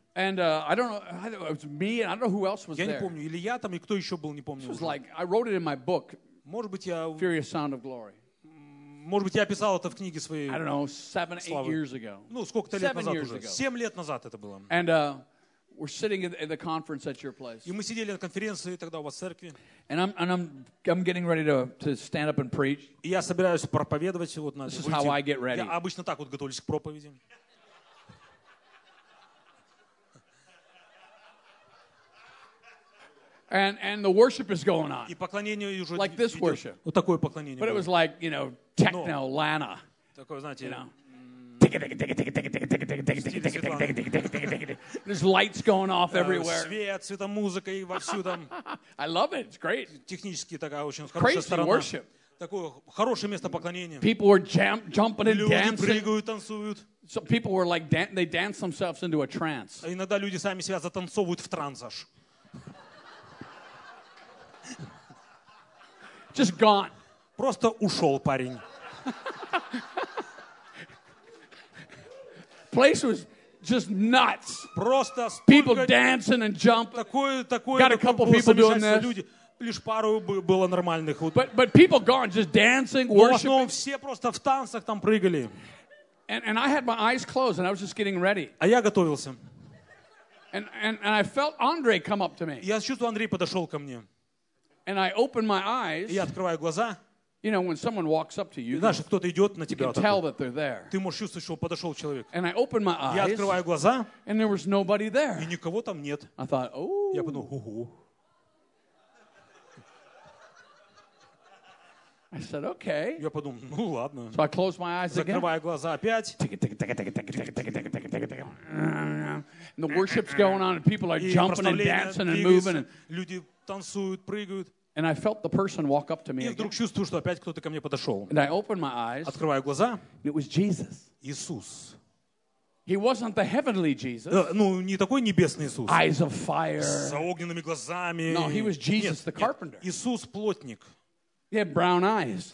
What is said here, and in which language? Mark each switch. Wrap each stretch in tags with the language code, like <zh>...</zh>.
<en>And I don't know, it was me, and I don't know who else was there.</en> <ru>Я не помню, или я там, и кто еще был, не помню.</ru> <en>It was like, I wrote it in my book.</en> <ru>Может быть, я...</ru> <en>Furious Sound of Glory.</en> <ru>Может быть, я писал это в книге своей славы.</ru> <en>I don't know, 7-8 years ago.</en> <ru>Ну, сколько-то лет назад уже. 7 лет назад это было.</ru> <en>And we're sitting in the conference at your place.</en> <ru>И мы сидели на конференции тогда у вас в церкви.</ru> <en>And I'm getting ready to stand up and preach.</en> <ru>И я собираюсь проповедовать. Вот,</ru> <en>this is how I get ready.</en> <ru>Я обычно так вот готовлюсь к проповеди.</ru> <en>And the worship is going on.</en> <ru>И поклонение уже идет.</ru> <en>Like this worship.</en> <ru>Вот такое поклонение.</ru> <en>But it was like, you know, techno Lana.</en> <ru>Такое, знаете,</ru> <en>you know. There's lights going off everywhere.</en> <ru>Свет, света, музыка и вовсю там.</ru> <en>I love it. It's great.</en> <ru>Технически такая очень хорошая сторона.</ru> <en>Crazy worship.</en> <ru>Такое хорошее место поклонения.</ru> <en>People were jumping and dancing.</en> <ru>Люди прыгают, танцуют.</ru> <en>So people were like they dance themselves into a trance.</en> <ru>Иногда люди сами себя затанцовывают в транс аж.</ru> <en>Just gone.</en> <ru>Просто ушел парень.</ru> <en>place was just nuts.</en> <ru>Просто</ru> <en>people dancing and jumping.</en> <ru>Такое,</ru> <en>got a couple people doing this.</en> <ru>Люди. Лишь пару было нормальных.</ru> <en>But people gone, just dancing, worshiping.</en> <ru>Но в основном все просто в танцах там прыгали.</ru> <en>And I had my eyes closed and I was just getting ready.</en> <ru>А я готовился.</ru> <en>And I felt Andre come up to me.</en> <ru>Я чувствовал, Андрей подошел ко мне.</ru> <en>And I opened my eyes.</en> <ru>Я открываю глаза.</ru> <en>You know, when someone walks up to you,</en> <ru>знаешь, кто-то идет на тебя,</ru> <en>you can tell that they're there.</en> <ru>Ты можешь чувствовать, что подошел человек.</ru> <en>And I opened my eyes.</en> <ru>Я открываю глаза.</ru> <en>And there was nobody there.</en> <ru>И никого там нет.</ru> <en>I thought, ooh.</en> <ru>Я подумал, ху-ху.</ru> <en>I said, okay.</en> <ru>Я подумал, ну ладно.</ru> <en>So I closed my eyes again.</en> <ru>Закрываю глаза опять.</ru> <en>And the worship's going on, and people are jumping and dancing and moving.</en> <ru>Люди танцуют, прыгают.</ru> <en>And I felt the person walk up to me.</en> <ru>И вдруг чувствую, что опять кто-то ко мне подошел.</ru> <en>And I opened my eyes.</en> <ru>Открываю глаза.</ru> <en>And it was Jesus.</en> <ru>Иисус.</ru> <en>He wasn't the heavenly Jesus.</en> <ru>Ну, не такой небесный Иисус.</ru> <en>Eyes of fire.</en> <ru>С огненными глазами.</ru> <en>No, he was Jesus, the carpenter.</en> <ru>Иисус плотник.</ru> <en>He had brown eyes.</en>